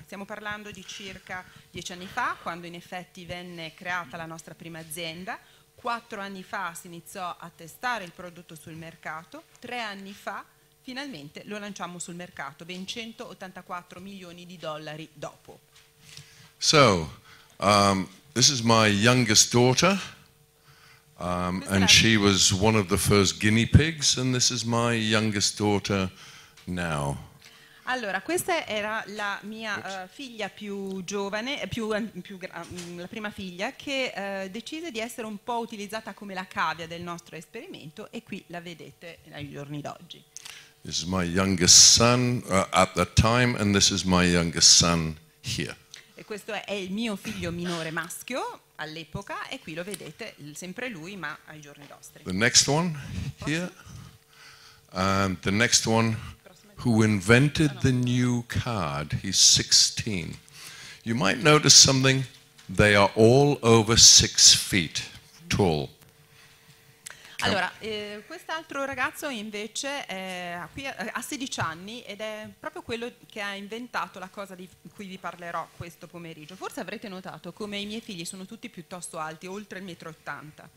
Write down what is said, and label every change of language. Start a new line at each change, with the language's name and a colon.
Italian: Stiamo parlando di circa 10 anni fa, quando in effetti venne creata la nostra prima azienda. 4 anni fa si iniziò a testare il prodotto sul mercato, 3 anni fa finalmente lo lanciamo sul mercato, ben $184 million dopo.
English: So this is my youngest daughter, and she was one of the first guinea pigs, and this is my youngest daughter now.
Italian: Allora, questa era la mia figlia più giovane, la prima figlia, che decise di essere un po' utilizzata come la cavia del nostro esperimento, e qui la vedete ai giorni d'oggi.
English: This is my youngest son at that time, and this is my youngest son here.
Italian: E questo è il mio figlio minore maschio all'epoca, e qui lo vedete, sempre lui, ma ai giorni nostri.
English: The next one here, and the next one, who invented the new card, he's 16. You might notice something, They are all over 6 feet tall.
Italian: Allora, quest'altro ragazzo invece è qui, ha 16 anni ed è proprio quello che ha inventato la cosa di cui vi parlerò questo pomeriggio. Forse avrete notato come i miei figli sono tutti piuttosto alti, oltre il 1,80 m.